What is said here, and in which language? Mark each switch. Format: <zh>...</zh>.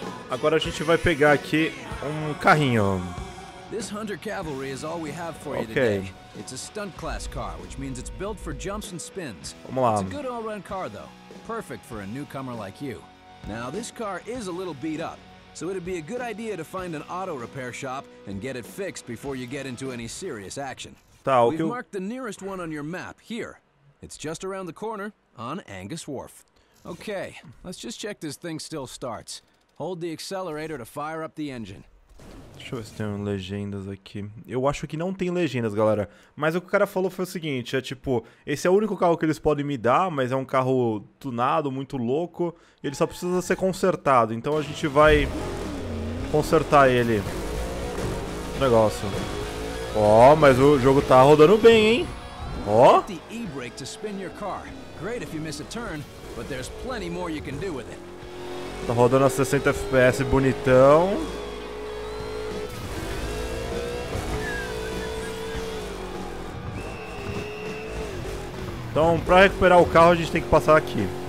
<pt>Agora a gente vai pegar aqui um carrinho.</pt> <en>This Hunter Cavalry is all we have for you today. It's a stunt class car, which means it's built for jumps and spins.</en> <pt>Vamos lá.</pt> <en>It's a good all-run car though, perfect for a newcomer like you. Now, this car is a little beat up, so it'd be a good idea to find an auto repair shop and get it fixed before you get into any serious action.</en> <pt>Tá,</pt> <en>we've marked the nearest one on your map here. It's just around the corner on Angus Wharf. Okay, let's just check this thing still starts. Hold the accelerator to fire up the engine.</en> <pt>Deixa eu ver se tem legendas aqui. Eu acho que não tem legendas, galera. Mas o que o cara falou foi o seguinte, é tipo, esse é o único carro que eles podem me dar, mas é um carro tunado, muito louco. E ele só precisa ser consertado. Então a gente vai consertar ele. Negócio. Ó, mas o jogo tá rodando bem, hein? Ó.</pt> <en>The e-brake to spin your car. Great if you miss a turn, but there's plenty more you can do with it.</en> <pt>Tá rodando a 60 FPS bonitão. Então, para recuperar o carro, a gente tem que passar aqui.</pt>